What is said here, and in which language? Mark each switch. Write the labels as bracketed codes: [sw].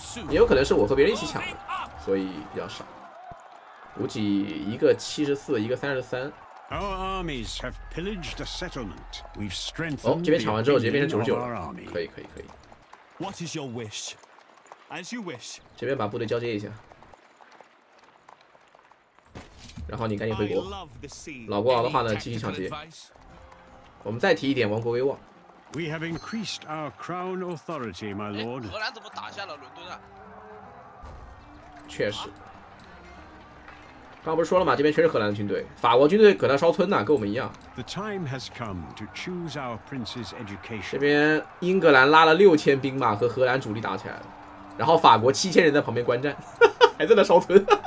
[zh] 也有可能是我和别人一起抢的，所以比较少。补给一个74，一个33。 [en] Our armies have pillaged the settlement. We've strengthened. [zh] 哦，这边抢完之后直接变成99了，可以。 [en] What is your wish? As you wish. [zh] 这边把部队交接一下。然后你赶紧回国，老国王的话呢，继续抢劫。我们再提一点王国威望。 [en] We have increased our crown authority, my lord. [zh] 荷兰怎么打下了伦敦啊？确实，刚不是说了吗？这边全是荷兰的军队，法国军队搁那烧村呢，跟我们一样。 [en] The time has come to choose our prince's education. [zh] 这边英格兰拉了6000兵马和荷兰主力打起来了，然后法国7000人在旁边观战，还在那烧村。